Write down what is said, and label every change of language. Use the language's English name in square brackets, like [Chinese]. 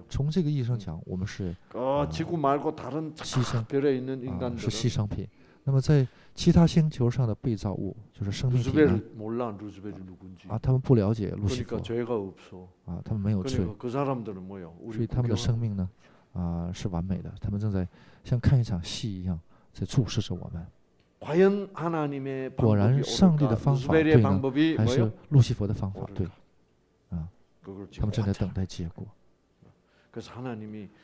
[Chinese] 从这个意义上讲，我们是牺牲，是牺牲品。那么在其他星球上的被造物就是生命体呢？ [Korean] 루스벨몰라루스벨이누군지 [Chinese] 啊，他们不了解路西佛。 [Korean] 그러니까죄가없어 [Chinese] 啊，他们没有罪。 [Korean] 그러니까그사람들은뭐요？ [Chinese] 所以他们的生命呢，啊，是完美的。他们正在像看一场戏一样，在注视着我们。 [Korean] 과연하나님의 [Chinese] 果然上帝的方法对呢？还是路西佛的方法对？啊，他们正在等待结果。 [Korean] 그래서하나님이